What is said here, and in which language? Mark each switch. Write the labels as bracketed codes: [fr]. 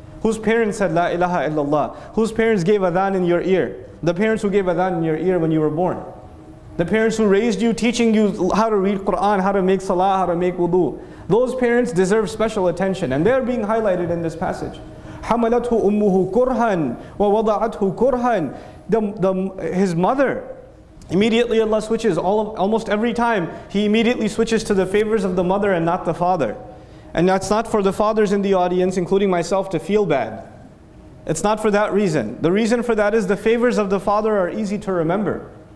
[en] Whose parents said La ilaha illallah? Whose parents gave adhan in your ear? The parents who gave adhan in your ear when you were born. The parents who raised you, teaching you how to read Quran, how to make salah, how to make wudu. Those parents deserve special attention, and they're being highlighted in this passage. [ar] حَمَلَتْهُ أُمُّهُ كُرْهًا وَوَضَعَتْهُ كُرْهًا. [en] His mother, immediately Allah switches, almost every time, He immediately switches to the favors of the mother and not the father. And that's not for the fathers in the audience, including myself, to feel bad. It's not for that reason. The reason for that is the favors of the father are easy to remember.